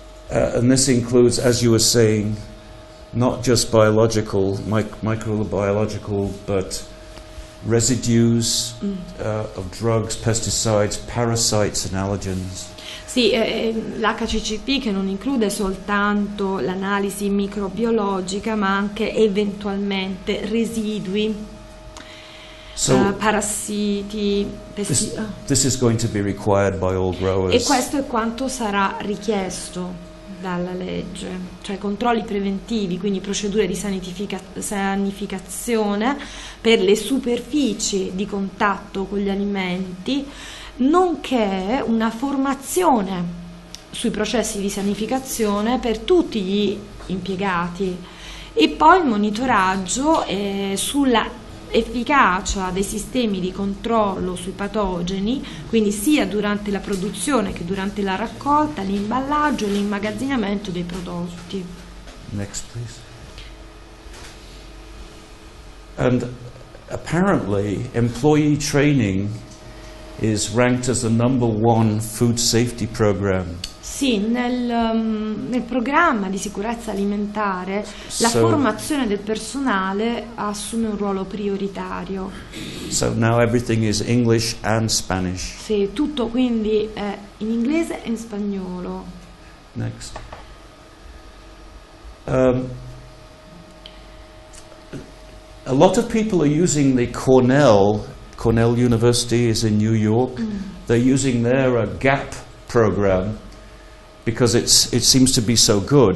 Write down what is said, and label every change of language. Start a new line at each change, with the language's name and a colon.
English: And this includes, as you were saying, not just biological, microbiological, but residues of drugs, pesticides, parasites and allergens.
Italian: Sì, l'HACCP che non include soltanto l'analisi microbiologica, ma anche eventualmente residui, parassiti, pesticidi.
English: This is going to be required by all growers.
Italian: E questo è quanto sarà richiesto dalla legge, cioè controlli preventivi, quindi procedure di sanificazione per le superfici di contatto con gli alimenti, nonché una formazione sui processi di sanificazione per tutti gli impiegati e poi il monitoraggio sulla efficacia dei sistemi di controllo sui patogeni, quindi sia durante la produzione che durante la raccolta, l'imballaggio e l'immagazzinamento dei prodotti.
English: Next, please. And apparently employee training is ranked as the number one food safety program.
Italian: Sì, nel programma di sicurezza alimentare la formazione del personale assume un ruolo prioritario.
English: So now everything is English and Spanish.
Italian: Sì, tutto quindi è in inglese e in spagnolo.
English: Next. A lot of people are using the Cornell University is in New York. They're using their GAP program. Because it seems to be so good.